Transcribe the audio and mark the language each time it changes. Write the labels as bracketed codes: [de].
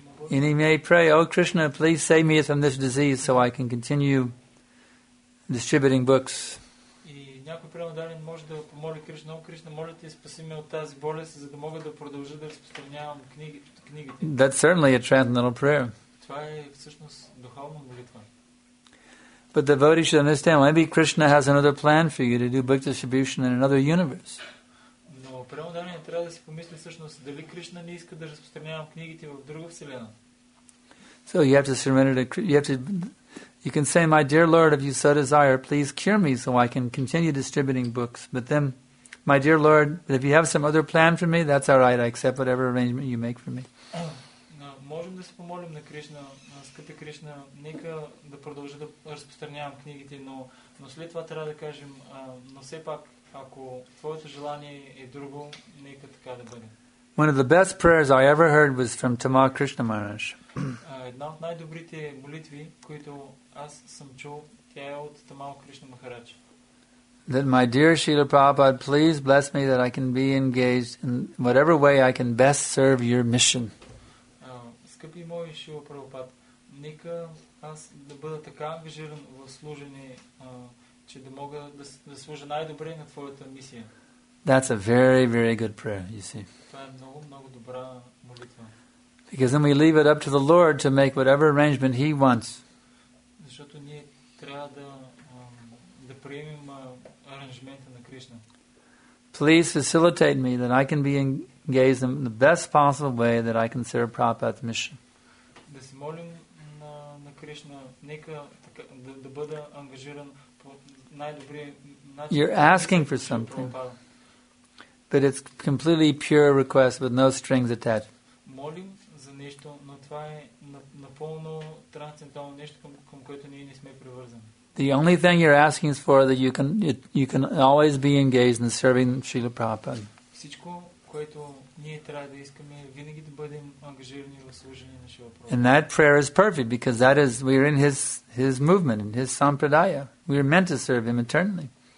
[en] And he may pray, oh Krishna, please save me from this disease so I can continue distributing books. [bg] Някой преодален може да помоли Кришна, но Кришна, моля ти, спаси ме от тази болест, за да мога да продължа да разпространявам книгите. [en] That's certainly a transcendental prayer. [bg] Това е всъщност духовна молитва. [en] But the devotee should understand, maybe Krishna has another plan for you to do book distribution in another universe. [bg] Но преодален трябва да си помисли всъщност, дали Кришна не иска да разпространявам книгите в друга вселена. [en] So you have to surrender to Krishna. You can say, my dear Lord, if you so desire, please cure me so I can continue distributing books. But then, my dear Lord, if you have some other plan for me, that's all right. I accept whatever arrangement you make for me. [bg] Можем да се помолим на Кришна, скъпи Кришна, нека да продължа да разпространявам книгите, но след това трябва да кажем, но все пак, ако твоето желание е друго, нека така да бъде. [en] One of the best prayers I ever heard was from Tamal Krishna Maharaj. [bg] Една от най-добрите молитви, които аз съм чул, тя е от Тамал Кришна Махарадж. [en] that my dear Srila Prabhupada, please bless me that I can be engaged in whatever way I can best serve your mission. [bg] Скъпи мой Шила Прабхупад, нека аз да бъда така ангажиран в служене, че да мога да служа най-добре на твоята мисия. [en] That's a very, very good prayer, you see. [bg] Това е много, много добра молитва. [en] Because then we leave it up to the Lord to make whatever arrangement He wants. [bg] Защото ние трябва да приемем аранжимента на Кришна. [en] Please facilitate me that I can be engaged in the best possible way that I can serve Prabhupada's mission. [bg] Да се молим на Кришна, нека да бъда ангажиран по най-добрия начин. [en] You're asking for something, but it's completely pure request with no strings attached. [bg] Молим за нещо, но това е напълно трансцендентално нещо, към което ние не сме привързани. [en] The only thing you're asking is for that you can always be engaged in serving Srila Prabhupada. [bg] Всичко, което ние трябва да искаме, винаги да бъдем ангажирани в служение на Шрила Прабхупада. [en] And that prayer is perfect because that is we're in his movement, in his sampradaya. We are meant to serve him eternally.